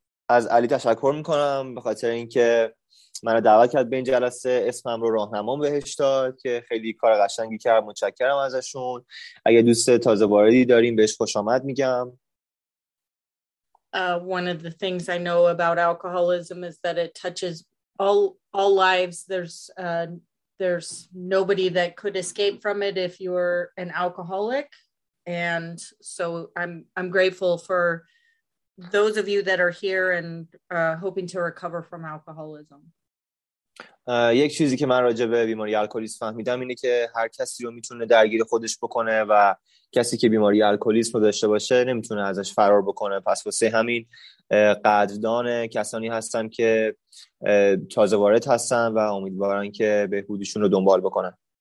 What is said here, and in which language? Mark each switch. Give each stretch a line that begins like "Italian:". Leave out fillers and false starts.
Persian: از علی تشکر میکنم به خاطر اینکه منو دعوت کرد به این جلسه، اسمم رو راهنمام بهش داد که خیلی کار قشنگی کرد، متشکرم ازشون. اگه دوست تازه واردی داریم بهش خوش آمد میگم.
English: One of the things I know about alcoholism is that it touches all lives. There's nobody that could escape from it if you're an alcoholic. And so I'm grateful for those of you that are here and hoping to recover from alcoholism.
Persian: یک چیزی که من راجع به بیماری الکلیسم فهمیدم اینه که هر کسی رو میتونه درگیر خودش بکنه و کسی که بیماری الکلیسم رو داشته باشه نمیتونه ازش فرار بکنه. پس واسه همین قدردان کسانی هستم که تازه وارد هستن و امیدوارن که بهبودیشون رو دنبال بکنن.